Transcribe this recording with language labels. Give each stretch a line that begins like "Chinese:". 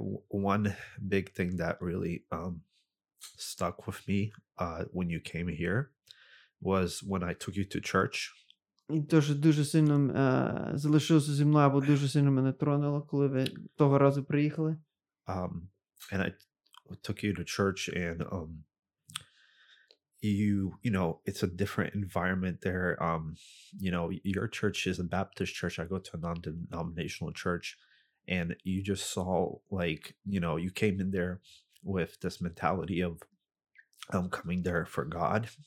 English: One big thing that really stuck with me when you came here was when I took you to church.
Ukrainian: І то, що дуже сильно залишилося зі мною, або дуже сильно мене тронуло, коли ви того разу приїхали.
English: And I took you to church, and you know, it's a different environment there. You know, your church is a Baptist church. I go to a non-denominational church, and you just saw, like, you know, you came in there with this mentality of coming there for God.